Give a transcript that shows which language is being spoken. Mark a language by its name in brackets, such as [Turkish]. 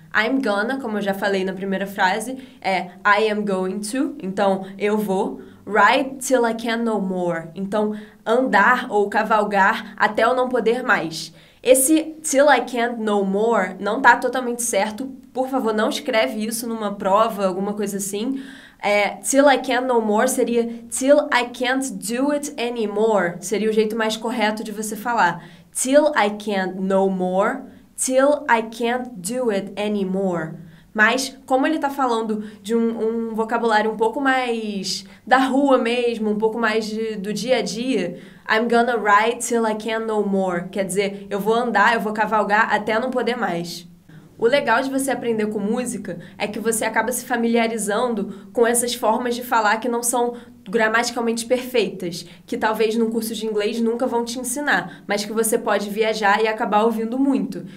[English] I'm gonna, [Portuguese] como eu já falei na primeira frase, é [English] I am going to. [Portuguese] Então, eu vou. [English] Ride till I can't no more. [Portuguese] Então, andar ou cavalgar até eu não poder mais. Esse [English] till I can't no more [Portuguese] não tá totalmente certo. Por favor, não escreve isso numa prova, alguma coisa assim. [English] É, till I can't no more seria till I can't do it anymore. [Portuguese] Seria o jeito mais correto de você falar. [English] Till I can't no more, till I can't do it anymore. [Portuguese] Mas, como ele está falando de um vocabulário um pouco mais da rua mesmo, um pouco mais do dia a dia, [English] I'm gonna ride till I can no more. [Portuguese] Quer dizer, eu vou andar, eu vou cavalgar até não poder mais. O legal de você aprender com música é que você acaba se familiarizando com essas formas de falar que não são gramaticalmente perfeitas, que talvez num curso de inglês nunca vão te ensinar, mas que você pode viajar e acabar ouvindo muito.